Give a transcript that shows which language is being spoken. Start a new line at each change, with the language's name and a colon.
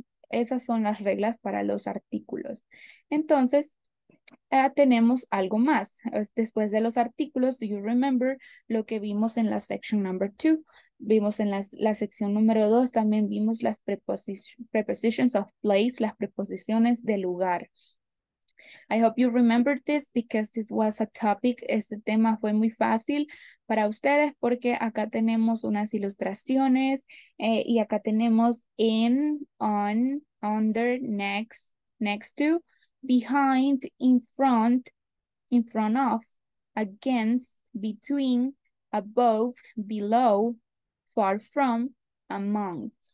Spanish: Esas son las reglas para los artículos. Entonces, tenemos algo más. Después de los artículos,
English: do you remember
Spanish: lo que vimos en la
English: section number two?
Spanish: Vimos en la sección número dos, también vimos las prepositions of place, las preposiciones de lugar.
English: I hope you remember this because this was a topic.
Spanish: Este tema fue muy fácil para ustedes porque acá tenemos unas ilustraciones y acá tenemos in, on, under, next, next to, behind, in front of, against, between, above, below, far from, among.